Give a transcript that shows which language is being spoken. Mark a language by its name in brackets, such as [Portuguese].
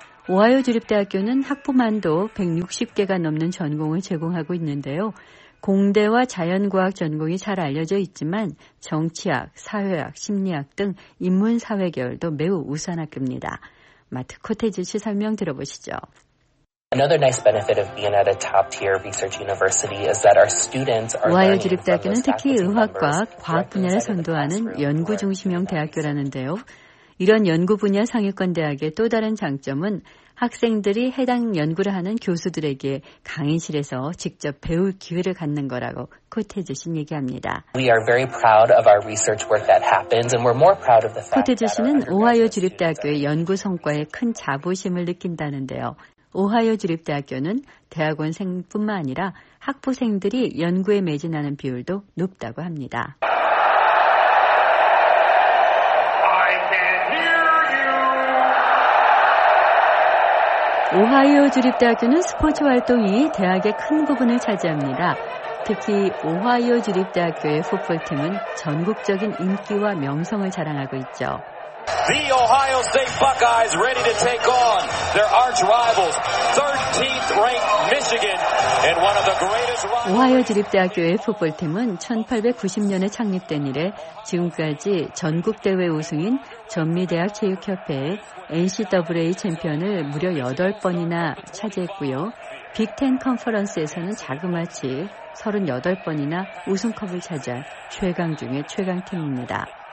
[Korean] 오하이오 주립대학교는 학부만도 160개가 넘는 전공을 제공하고 있는데요. 공대와 자연과학 전공이 잘 알려져 있지만 정치학, 사회학, 심리학 등 인문사회 계열도 매우 우수한 학교입니다. 마트 코테지 씨 설명 들어보시죠. [English] Another nice benefit of being at a top-tier research university is that our students are learning. [Korean] 오하이오 주립대학교는 특히 의학과 과학 분야를 선도하는 연구 중심형 대학교라는데요. 이런 연구 분야 상위권 대학의 또 다른 장점은 학생들이 해당 연구를 하는 교수들에게 강의실에서 직접 배울 기회를 갖는 거라고 코테즈 씨는 얘기합니다. [English] We are very proud of our research work that happens and we're more proud of the fact. [Korean] 코테즈 씨는 오하이오 주립대학교의 연구 성과에 큰 자부심을 느낀다는데요. 오하이오 주립대학교는 대학원생뿐만 아니라 학부생들이 연구에 매진하는 비율도 높다고 합니다. 오하이오 주립대학교는 스포츠 활동이 대학의 큰 부분을 차지합니다. 특히 오하이오 주립대학교의 풋볼팀은 전국적인 인기와 명성을 자랑하고 있죠. [English] The Ohio State Buckeyes ready to take on their arch rivals, 13th-ranked Michigan, and one of the greatest rivals. [Korean] 오하이오 주립대학교의 풋볼팀은 1890년에 창립된 이래 지금까지 전국 대회 우승인 전미대학 체육협회의 NCAA 챔피언을 무려 8번이나 차지했고요. 빅텐 컨퍼런스에서는 자그마치 38번이나 우승컵을 차지한 최강 중의 최강 팀입니다.